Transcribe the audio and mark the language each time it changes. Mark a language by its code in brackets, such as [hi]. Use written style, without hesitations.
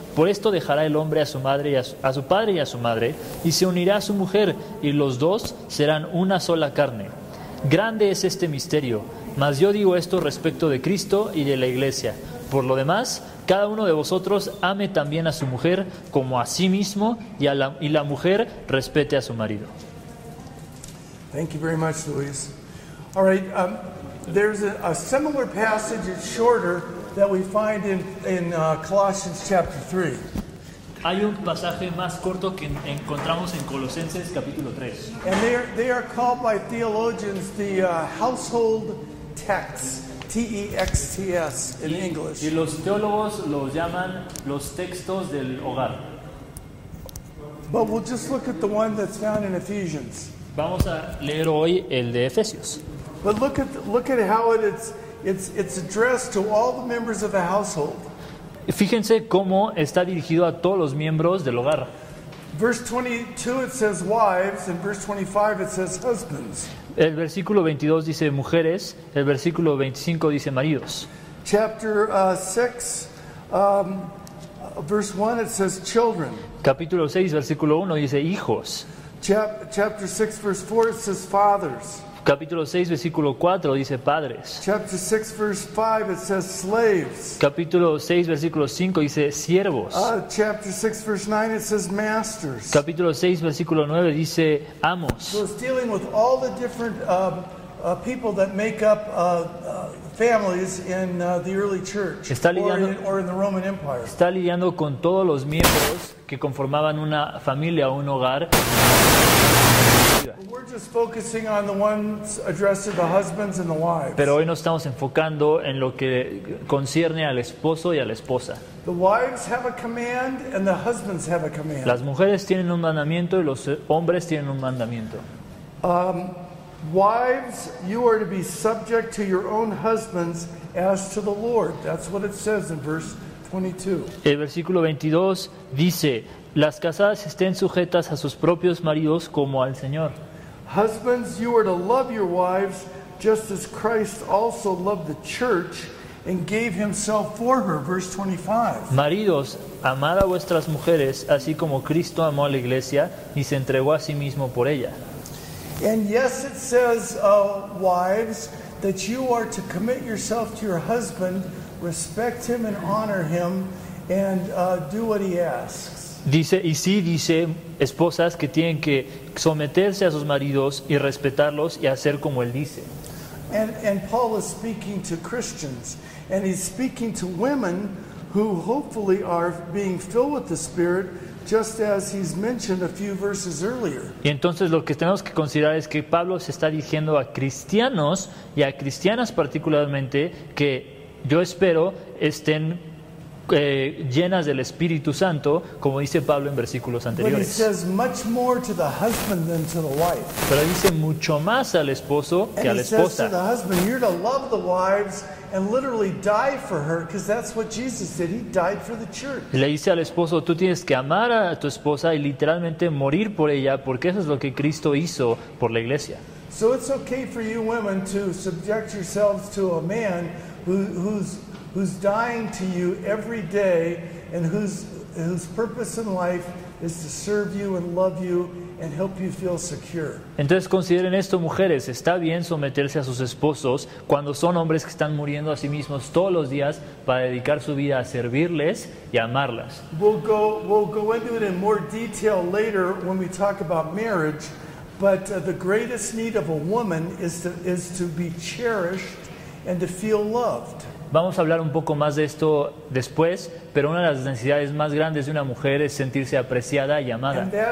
[es] Por esto dejará el hombre a su madre y a su padre y a su madre, y se unirá a su mujer, y los dos serán una sola carne. Grande es este misterio. Mas yo digo esto respecto de Cristo y de la iglesia. Por lo demás, cada uno de vosotros ame también a su mujer como a sí mismo y la mujer respete a su marido. [en] Thank you very much, Luis. All right, there's a similar passage, it's shorter, that we find in Colossians chapter 3. [es] Hay un pasaje más corto que encontramos en Colosenses capítulo 3. [en] And they are called by theologians the household texts, in English. [es] Y los teólogos los llaman los textos del hogar. [en] But we'll just look at the one that's found in Ephesians. [es] Vamos a leer hoy el de Efesios. [en] But look at how it's addressed to all the members of the household. [es] Fíjense cómo está dirigido a todos los miembros del hogar. [en] Verse 22 it says wives, and verse 25 it says husbands. [es] El versículo 22 dice mujeres, el versículo 25 dice maridos. [en] Chapter 6, verse 1, it says children. [es] Capítulo 6, versículo 1, dice hijos. [en] Chapter 6, verse 4, it says fathers. [es] Capítulo 6, versículo 4 dice padres. [en] Chapter 6, verse 5, it says slaves. [es] Capítulo 6, versículo 5 dice siervos. [en] Chapter 6, verse 9, it says masters. [es] Capítulo 6, versículo 9 dice amos. [en] So it's dealing with all the different people that make up families in the early church or in the Roman Empire. [es] Está lidiando con todos los miembros que conformaban una familia o un hogar. [en] We're just focusing on the ones addressed to the husbands and the wives. [es] Pero hoy nos estamos enfocando en lo que concierne al esposo y a la esposa. [en] The wives have a command and the husbands have a command. [es] Las mujeres tienen un mandamiento y los hombres tienen un mandamiento. [en] Wives, you are to be subject to your own husbands as to the Lord. That's what it says in verse 22. [es] El versículo 22 dice, las casadas estén sujetas a sus propios maridos como al Señor. [en] Husbands, you are to love your wives just as Christ also loved the church and gave himself for her. Verse 25. [es] Maridos, amad a vuestras mujeres así como Cristo amó a la iglesia y se entregó a sí mismo por ella. [en] And yes, it says, wives, that you are to commit yourself to your husband, respect him and honor him, and do what he asks. [es] Dice, y sí, dice, esposas que tienen que someterse a sus maridos y respetarlos y hacer como él dice. [en] And Paul is speaking to Christians, and he's speaking to women who hopefully are being filled with the Spirit, just as he's mentioned a few verses earlier. [es] Y entonces lo que tenemos que considerar es que Pablo se está dirigiendo a cristianos y a cristianas particularmente que yo espero estén llenas del Espíritu Santo, como dice Pablo en versículos anteriores. [en] But he says much more to the husband than to the wife. [es] Pero dice mucho más al esposo que a la esposa. [en] And he says to the husband, you're to love the wives and literally die for her, because that's what Jesus did. He died for the church. [es] Le dice al esposo, tú tienes que amar a tu esposa y literalmente morir por ella, porque eso es lo que Cristo hizo por la iglesia. [en] So it's okay for you women to subject yourselves to a man who's dying to you every day and whose purpose in life is to serve you and love you and help you feel secure. [es] Entonces consideren esto, mujeres, está bien someterse a sus esposos cuando son hombres que están muriendo a sí mismos todos los días para dedicar su vida a servirles y amarlas. [en] We'll go into it in more detail later when we talk about marriage, but the greatest need of a woman is to be cherished and to feel loved. [es] Vamos a hablar un poco más de esto después, pero una de las necesidades más grandes de una mujer es sentirse apreciada y amada.